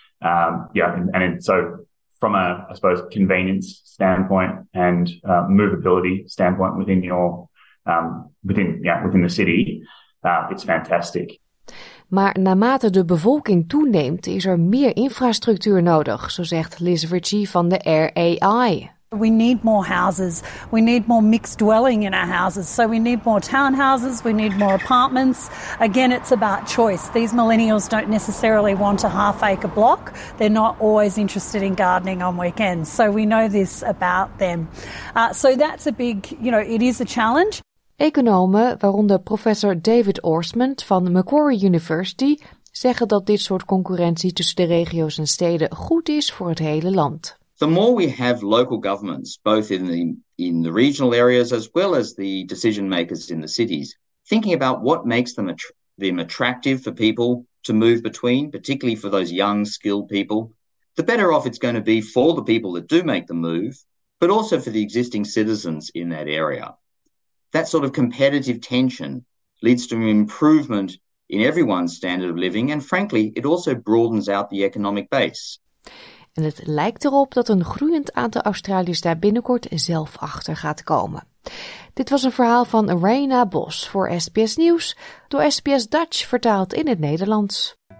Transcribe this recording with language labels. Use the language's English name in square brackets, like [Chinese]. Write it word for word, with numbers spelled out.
[English] Um, yeah, and, and so from a, I suppose, convenience standpoint and uh, movability standpoint within your, um, within, yeah, within the city, uh, it's fantastic. [Dutch] Maar naarmate de bevolking toeneemt, is er meer infrastructuur nodig, zo zegt Liz Ritchie van de R A I. [English] We need more houses. We need more mixed dwelling in our houses. So we need more townhouses. We need more apartments. Again, it's about choice. These millennials don't necessarily want a half-acre block. They're not always interested in gardening on weekends. So we know this about them. Uh, so that's a big, you know, it is a challenge. [Dutch] Economen, waaronder professor David Orsmond van Macquarie University, zeggen dat dit soort concurrentie tussen de regio's en steden goed is voor het hele land. [English] The more we have local governments, both in the in the regional areas as well as the decision makers in the cities, thinking about what makes them, att- them attractive for people to move between, particularly for those young, skilled people, the better off it's going to be for the people that do make the move, but also for the existing citizens in that area. That sort of competitive tension leads to an improvement in everyone's standard of living, and frankly, it also broadens out the economic base. [Dutch] En het lijkt erop dat een groeiend aantal Australiërs daar binnenkort zelf achter gaat komen. Dit was een verhaal van Reina Bos voor S B S Nieuws, door S B S Dutch vertaald in het Nederlands.